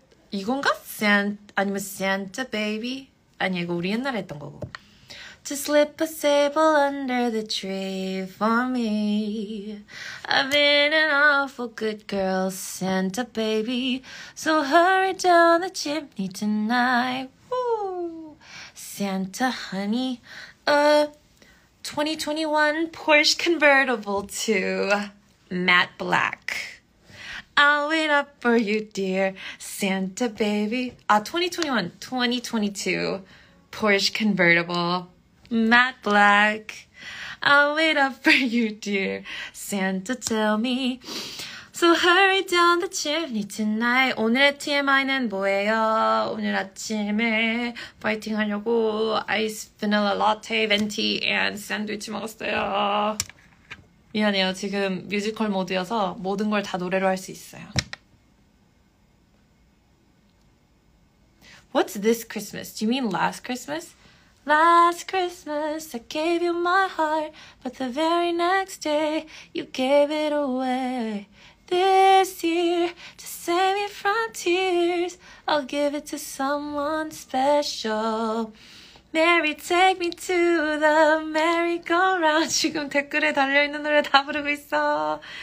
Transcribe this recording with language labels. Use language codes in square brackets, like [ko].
[ko] 이건가? 아니면 Santa baby? 아니 이거 우리 옛날에 했던 거고. [en] to slip a sable under the tree for me. I've been an awful good girl, Santa baby, so hurry down the chimney tonight. Woo! Santa honey, 2021 Porsche convertible to matte black. I'll wait up for you, dear Santa baby. 2022 Porsche convertible, matte black. I'll wait up for you, dear Santa, tell me. So hurry down the chimney tonight. [ko] 오늘의 TMI는 뭐예요? 오늘 아침에 파이팅 하려고 아이스 바닐라 라테, 벤티 and 샌드위치 먹었어요. 미안해요. 지금 뮤지컬 모드여서 모든 걸 다 노래로 할 수 있어요. [en] What's this Christmas? Do you mean last Christmas? Last Christmas, I gave you my heart, but the very next day, you gave it away. This year, to save me from tears, I'll give it to someone special. Mary, take me to the merry-go-round. [ko] 지금 댓글에 달려있는 노래 다 부르고 있어.